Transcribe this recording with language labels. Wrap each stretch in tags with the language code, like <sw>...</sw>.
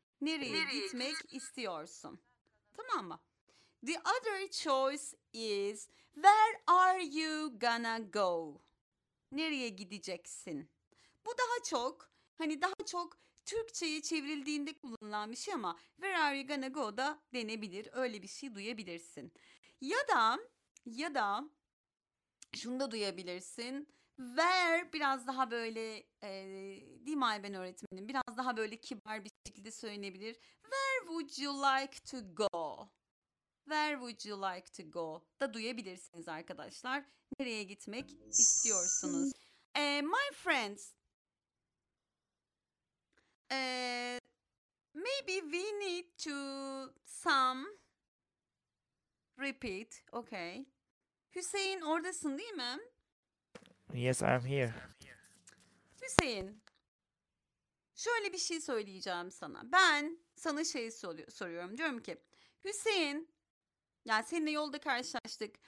<tr>Nereye gitmek istiyorsun? Tamam mı?</tr> <en>The other choice is, where are you gonna go?</en> <tr>Nereye gideceksin? Bu daha çok, hani daha çok Türkçe'ye çevrildiğinde kullanılan bir şey ama</tr> <en>where are you gonna go</en> <tr>da denebilir. Öyle bir şey duyabilirsin. Ya da şunu da duyabilirsin. Where biraz daha böyle, değil mi Ayben öğretmenim? Biraz daha böyle kibar bir şekilde söylenebilir.</tr> <en>Where would you like to go? Where would you like to go?</en> <tr>Da duyabilirsiniz arkadaşlar. Nereye gitmek istiyorsunuz?</tr> <en>My friends, maybe we need to some repeat, okay?</en> <tr>Hüseyin oradasın değil mi?</tr> <en>Yes, I'm here.</en> <tr>Hüseyin, şöyle bir şey söyleyeceğim sana. Ben sana şey soruyorum. Diyorum ki, Hüseyin, yani seninle yolda karşılaştık.</tr>